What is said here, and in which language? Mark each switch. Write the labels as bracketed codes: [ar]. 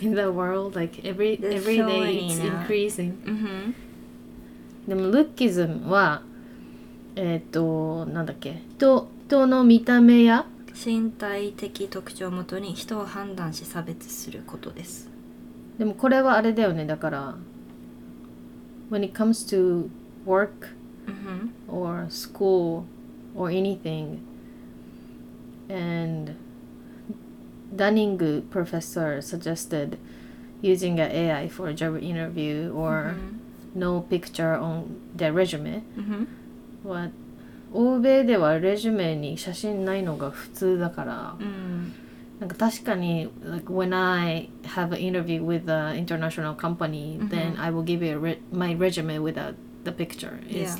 [en] In the world, like every day it's increasing. Mm-hmm. [ja] でもルッキズムは、なんだっけ、人の見た目や身体的特徴をもとに人を判断し差別することです。でもこれはあれだよね、だから [en] When it comes to work、 mm-hmm. or school or anything and Dunning professor suggested using an AI for a job interview or、mm-hmm. no picture on their resume、 mm-hmm. what? [ja] 欧米ではレジュメに写真ないのが普通だから、うん、なんか確かに [en] like when I have an interview with an international company、うん、then I will give you my resume without the picture it's、yeah.